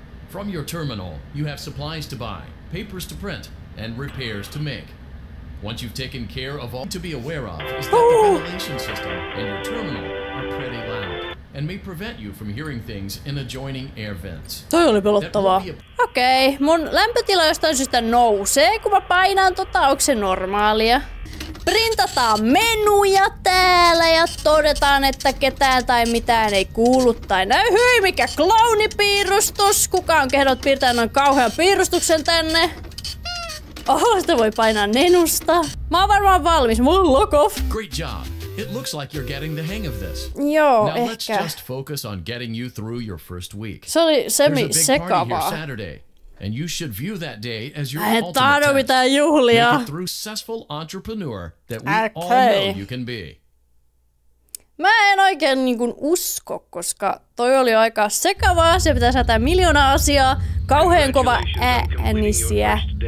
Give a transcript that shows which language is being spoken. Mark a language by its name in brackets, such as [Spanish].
[English] From your terminal, you have supplies to buy, papers to print, and repairs to make. Once you've taken care of all to be aware of is that the ventilation system and your terminal are pretty loud and may prevent you from hearing things in adjoining air vents. [Finnish] Toi oli pelottavaa. Okei, mun lämpötila jostain syystä nousee, kun mä painan tota, onko se normaalia? Printataan menuja täällä ja todetaan, että ketään tai mitään ei kuulu tai näy. Hyi, mikä klounipiirustus! Kuka on kehdot piirtää noin kauhean piirustuksen tänne? Oho, sitä voi painaa nenusta. Mä oon varmaan valmis, mulla on lock off. [English] Great job. It looks like you're getting the hang of this. [Finnish] Joo, [English] now [Finnish] ehkä. [English] Let's just focus on getting you through your first week. [Finnish] Se oli semi-sekavaa. [English] And you should view that day as your ultimate test. You're a successful entrepreneur that we all know you can be. [Finnish] Mä en oikein niin kuin usko, koska toi oli aika sekavaa. Se pitää saada miljoona asiaa. Kauhean kova äänisiä.